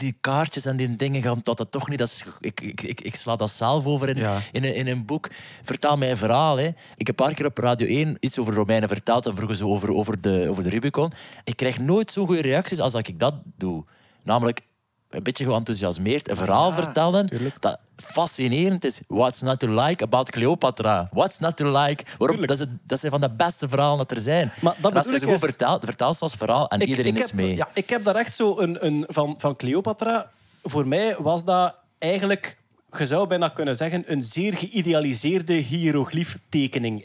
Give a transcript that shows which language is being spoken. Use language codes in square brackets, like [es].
[nl] Die kaartjes en die dingen gaan dat toch niet. Dat is, ik sla dat zelf over in een boek. Vertel mij een verhaal. Hè. Ik heb een paar keer op Radio 1 iets over Romeinen verteld. En vroegen ze over de Rubicon. Ik krijg nooit zo'n goede reacties als dat ik dat doe. Namelijk een beetje geënthousiasmeerd een verhaal vertellen. Tuurlijk. Dat fascinerend is. [en] What's not to like about Cleopatra? What's not to like? [nl] Waarom? Dat zijn van de beste verhalen dat er zijn. Maar dat als je ze gewoon vertelt ze als verhaal en iedereen is mee. Ja, ik heb daar echt zo een van Cleopatra. Voor mij was dat eigenlijk, je zou bijna kunnen zeggen, een zeer geïdealiseerde hiërogliftekening.